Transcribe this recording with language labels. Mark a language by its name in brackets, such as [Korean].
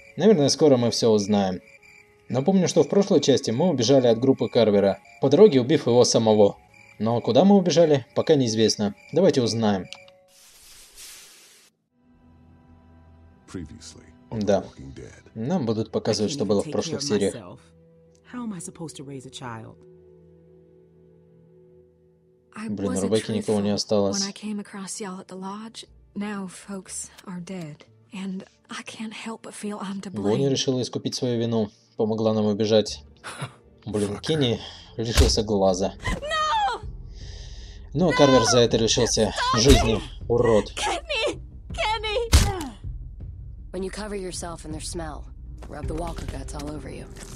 [Russian] Наверное, скоро мы все узнаем. Напомню, что в прошлой части мы убежали от группы Карвера, по дороге убив его самого. Но куда мы убежали, пока неизвестно. Давайте узнаем. Да. Нам будут показывать, что было в прошлых сериях. [English] How am I supposed to raise a child? [Russian] Блин, Ребекки никого не осталось. [English] When I came across y'all at the lodge, now folks are dead, and I can't help but feel I'm to blame. [Russian] Бонни решила искупить свою вину, помогла нам убежать. Блин, Кенни лишился глаза. Но Карвер за это лишился жизни, урод. Кенни! Кенни! [English] When you cover yourself in their smell, rub the walker guts all over you.